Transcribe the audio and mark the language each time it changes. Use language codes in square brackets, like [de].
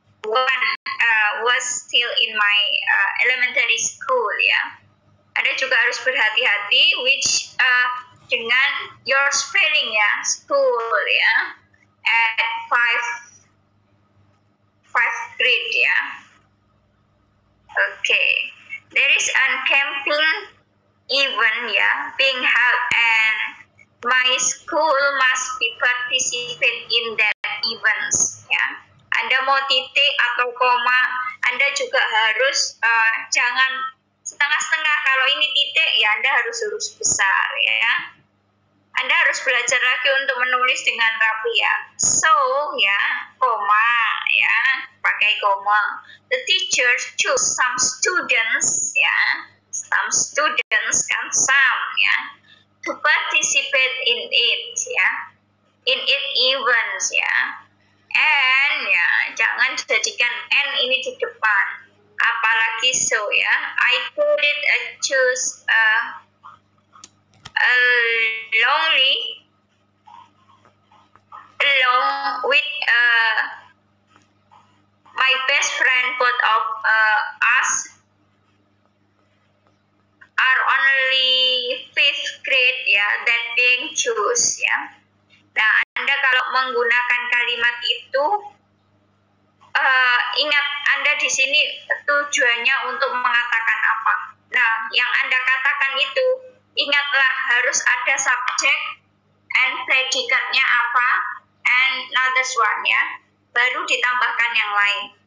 [en] When was still in my elementary school, ya. [id] Anda juga harus berhati-hati, which dengan [en] your spelling, [id] ya. [en] School, ya. At five grade, ya. Okay. There is a camping event, ya. Being held and my school must be participate in that events, ya. [id] Anda mau titik atau koma, Anda juga harus jangan setengah-setengah. Kalau ini titik, ya Anda harus huruf besar, ya. Anda harus belajar lagi untuk menulis dengan rapi, ya. So, ya, koma, ya, pakai koma. [en] The teacher choose some students, ya. Some students kan some, ya. To participate in it, ya, in it events, ya, and, ya, [id] jangan jadikan and ini di depan, apalagi [en] so, ya, I could choose along with my best friend, both of us, are only fifth grade, ya, that being choose, ya. [id] Nah, Anda kalau menggunakan kalimat itu, ingat Anda di sini tujuannya untuk mengatakan apa. Nah, yang Anda katakan itu, ingatlah harus ada [en] subject and predicate-nya [id] apa, [en] and another one, [id] ya, baru ditambahkan yang lain.